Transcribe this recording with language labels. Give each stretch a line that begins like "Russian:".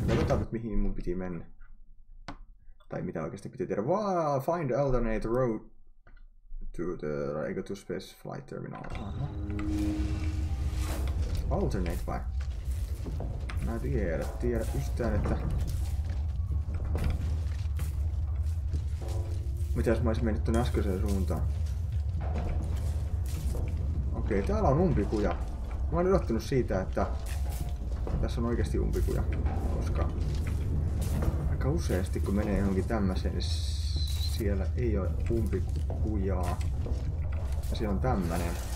Finnish: Katsotaan nyt, mihin mun piti mennä. Tai mitä oikeesti piti tehdä.
English: Wow, find alternate road to the Rego to Space Flight Terminal.
Finnish: Alternate vai? Mä tiedä yhtään, että mitäs mä olisin mennyt tuonne äskeiseen suuntaan. Okei, okay, täällä on umpikuja. Mä oon odottanut siitä, että tässä on oikeesti umpikuja, koska aika useasti kun menee johonkin tämmöiseen, niin siellä ei ole umpikujaa. Ja siellä on tämmönen.